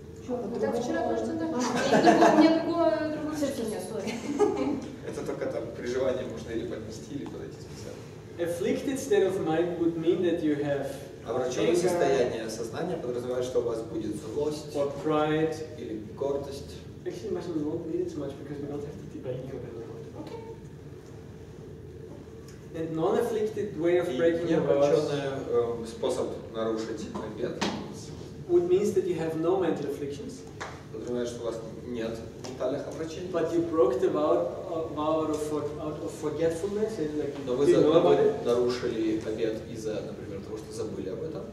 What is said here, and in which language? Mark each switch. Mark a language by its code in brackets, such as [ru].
[ru] это только там при желании можно или поднести, или подойти специально. [en] Afflicted state of mind would mean that you have. [ru] Обращённое состояние сознания подразумевает, что у вас будет злость. [en] Or pride. [ru] Или гордость. [en] Actually, much we won't need it so much because we don't have to debate about it. And non-afflicted way of breaking [ru] способ нарушить обет. [en] Would means that you have no mental afflictions. [ru] Подразумевает, что у вас нет ментальных обращений. [en] But you broke the vow out of forgetfulness, and like you didn't know about it. [ru] Нарушили обет из-за, например, того, что забыли об этом.